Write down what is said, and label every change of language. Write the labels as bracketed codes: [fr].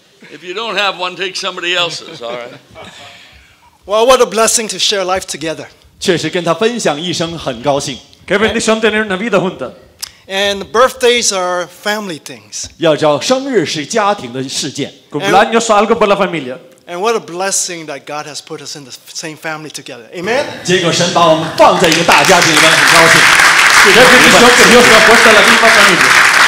[en] If you don't have one, take somebody else's, all right? Well, what a blessing to share life together. [zh] 确实跟他分享一生很高兴 [en] And birthdays are family things. [zh] 要叫生日是家庭的事件 [es] Cumpleaños algo por la familia. [en] And what a blessing that God has put us in the same family together. Amen? [zh] 结果神把我们放在一个大家庭里面很高兴